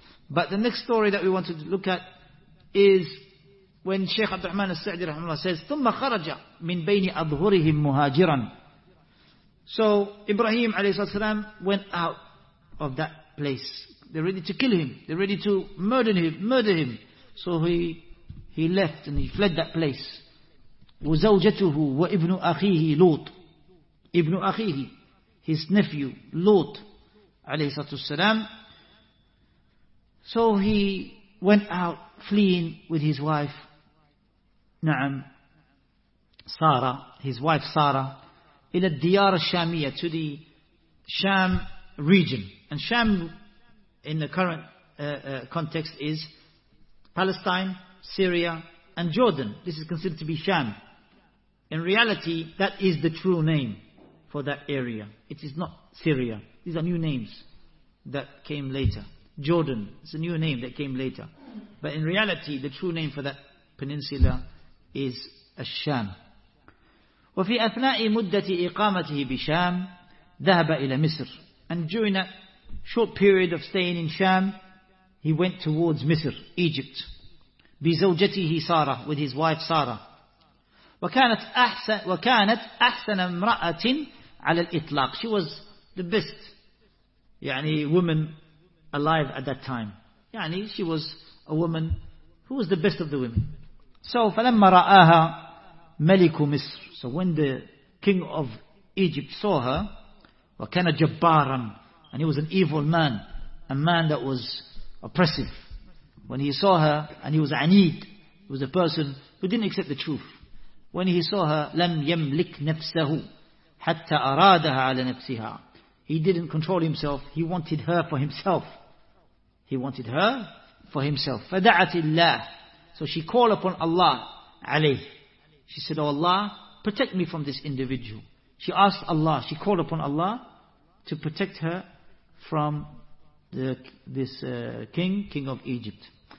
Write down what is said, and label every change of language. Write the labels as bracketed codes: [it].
[en] But the next story that we want to look at is when Shaykh Abdurrahman Sa'di rahimahullah says, [ar] ثُمَّ خَرَجَ مِنْ بَيْنِ أَظْهُرِهِمْ مُهَاجِرًا. [en] So Ibrahim alayhi salam went out of that place. They're ready to kill him. They're ready to murder him. So he he left and he fled that place. [ar] وَزَوْجَتُهُ وَإِبْنُ أَخِيهِ لُوطٍ [en] Ibn Akhihi, his nephew, Lut, [ar] عليه الصلاة والسلام. [en] So he went out fleeing with his wife, نعم, Sarah, his wife Sarah, [ar] إلى الديار الشامية, [en] to the Sham region. And Sham, in the current context, is Palestine, Syria, and Jordan. This is considered to be Sham. In reality, that is the true name for that area. It is not Syria. These are new names that came later. Jordan is a new name that came later. But in reality, the true name for that peninsula is Ash-Sham. [ar] وفي أثناء مدة إقامته بشام ذهب إلى مصر. [en] And during that short period of staying in Sham, he went towards Misr, Egypt. [ar] بزوجته سارة, [en] with his wife Sarah. [ar] وكانت أحسن امرأة على الإطلاق. [en] She was the best يعني woman alive at that time. يعني she was a woman who was the best of the women. [ar] So فلما رآها ملك مصر. [en] So when the king of Egypt saw her, [ar] وكان جبارا, [en] and he was an evil man, a man that was oppressive. When he saw her, and he was عنيد, he was a person who didn't accept the truth. When he saw her, [ar] لم يملك نفسه حتى أرادها على نفسها. [en] He didn't control himself. He wanted her for himself. He wanted her for himself. [ar] فدعت الله. [en] So she called upon Allah عليه. She said, oh Allah, protect me from this individual. She asked Allah, she called upon Allah to protect her from this king of Egypt.